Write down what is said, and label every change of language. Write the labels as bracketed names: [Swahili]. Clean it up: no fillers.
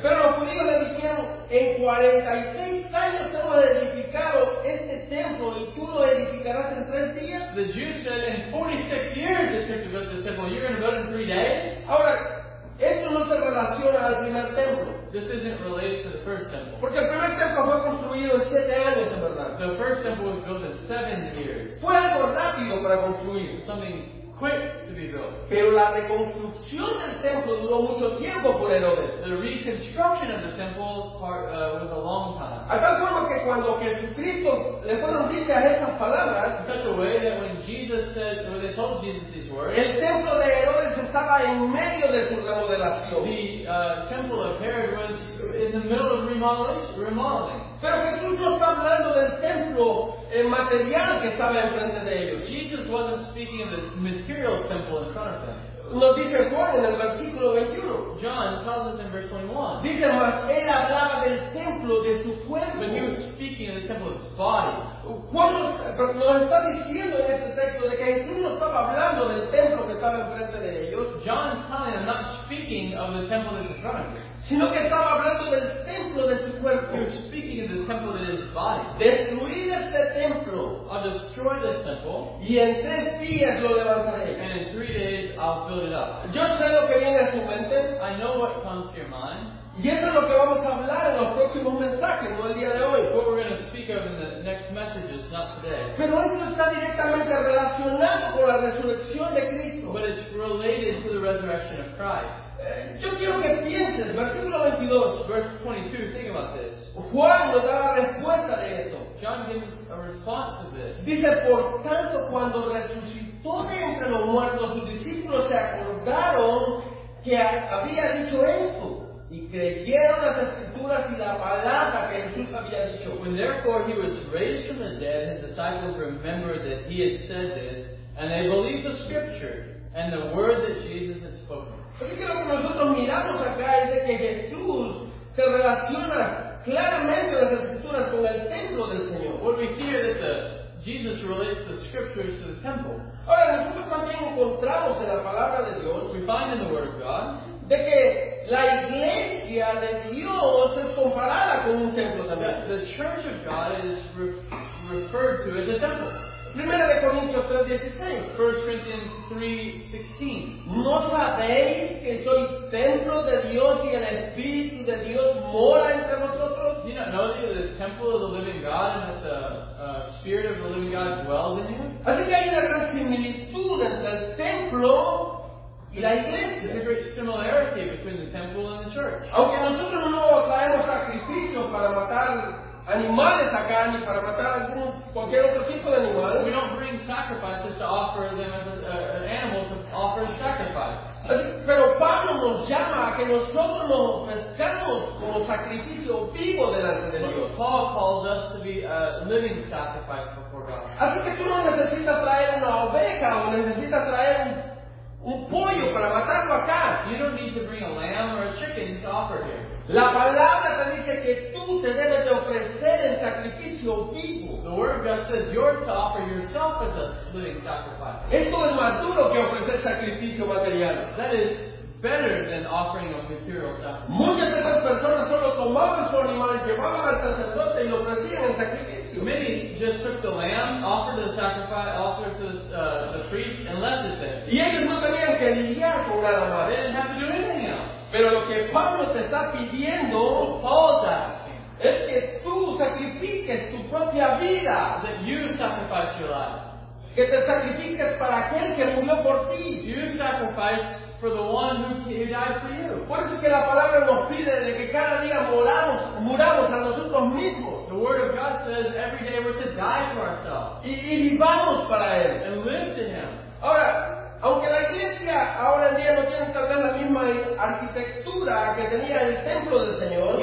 [Spanish] Pero los judíos le dijeron, en 46 años hemos edificado este templo y tú lo edificarás en 3 días. [English] The Jews said, in 46 years it took to build this temple. You're going to build it in 3 days? [Spanish] Ahora, esto no se relaciona al primer templo. [English] This isn't related to the first temple. [Spanish] Porque el primer templo fue construido en 7 años, en verdad. [English] The first temple was built in 7 years. [Spanish] Fue algo rápido para construir. [English] Something quick to be built. [Spanish] Pero la reconstrucción del templo duró mucho tiempo por Herodes. [English] The reconstruction of the temple was a long time. [Spanish] A tal forma que cuando Jesucristo le fueron dichas estas palabras, [English] in such a way that when Jesus said, when they told Jesus these words, [Spanish] el templo de Herodes estaba en medio de su remodelación. [English] The temple of Herod was in the middle of remodeling. [Spanish] Pero Jesús no está hablando del templo material que estaba enfrente de ellos. [English] Jesus wasn't speaking of the material temple in front of them. [Spanish] Lo dice Juan en el versículo 21. [English] John tells us in verse 21. [Spanish] Dice, mas él hablaba del templo de su cuerpo. [English] But he was speaking of the temple of his body. [Spanish] Juan nos está diciendo en este texto de que Jesús no estaba hablando del templo que estaba enfrente de ellos. [English] John is telling them, not speaking of the temple that's in front of them. [Spanish] Sino que estaba hablando del templo de su cuerpo. [English] You're speaking of the temple that is body. [Spanish] Destruir este templo. [English] I'll destroy this temple. [Spanish] Y en 3 días lo levantaré. [English] And in 3 days I'll build it up. [Spanish] Yo sé lo que viene a tu mente. [English] I know what comes to your mind. [Spanish] Y eso es lo que vamos a hablar en los próximos mensajes, no el día de hoy. [English] What we're going to speak of in the next messages, not today. [Spanish] Pero esto está directamente relacionado con la resurrección de Cristo. [English] But it's related to the resurrection of Christ. [Spanish] Yo quiero que pienses, versículo 22. [English] Verse 22, think about this. [Spanish] Juan nos da la respuesta de eso. [English] John gives a response to this. [Spanish] Dice, por tanto, cuando resucitó de entre los muertos, sus discípulos se acordaron que había dicho esto. Y creyeron las escrituras y la palabra que Jesús había dicho. [English] When therefore he was raised from the dead, his disciples remembered that he had said this, and they believed the scripture and the word that Jesus had spoken. [Spanish] Así que lo que nosotros miramos acá es de que Jesús se relaciona claramente las escrituras con el templo del Señor. [English] What we see is that Jesus relates the scriptures to the temple. [Spanish] Ahora nosotros también encontramos en la palabra de Dios. [English] We find in the word of God. [Spanish] De que la iglesia de Dios es comparada con un templo también. [English] The church of God is referred to as a temple. [Spanish] 1 Corintios 3:16. [English] 1 Corinthians 3:16. [Spanish] ¿No sabéis que sois templo de Dios y el Espíritu de Dios mora entre vosotros? [English] Do you not know that you're the temple of the living God and that the Spirit of the living God dwells in you? [Spanish] Así que hay una gran similitud entre el templo. [English] There's a great similarity between the temple and the church. [Spanish] Aunque nosotros no traemos sacrificios para matar animales acá ni para matar algún cualquier otro tipo de animal. [English] We don't bring sacrifices to offer them as animals to offer as sacrifice. [Spanish] Pero Pablo nos llama a que nosotros nos ofrezcamos como sacrificio vivo delante de Dios. [English] Paul calls us to be a living sacrifice before God. [Spanish] Así que tú no necesitas traer una oveja o necesitas traer un pollo para matarlo acá. [English] You don't need to bring a lamb or a chicken to offer here. [Spanish] La palabra te dice que tú te debes de ofrecer el sacrificio vivo. [English] The word of God says you're to offer yourself as a living sacrifice. [Spanish] Esto es más duro que ofrecer sacrificio material. [English] That is better than offering a material sacrifice. [Spanish] Muchas de estas personas solo tomaban su animal, llevaban al sacerdote y lo ofrecían en sacrificio. [English] Many just took the lamb, offered the sacrifice, offered to the priest, and left it there. [Spanish] Y ellos no tenían que lidiar con nada más. [English] They didn't have to do anything else. [Spanish] Pero lo que Pablo te está pidiendo, [English] Paul is asking, [Spanish] es que tú sacrifiques tu propia vida. [English] That you sacrifice your life. [Spanish] Que te sacrifiques para aquel que murió por ti. [English] You sacrifice for the one who died for you. [Spanish] Por eso que la palabra nos pide de que cada día muramos a nosotros mismos. [English] The word of God says every day we're to die to ourselves. [Spanish] Y vivamos para él. [English] And live to him. [Spanish] Ahora, aunque la iglesia ahora en día no tiene tal vez la misma arquitectura que tenía el templo del Señor,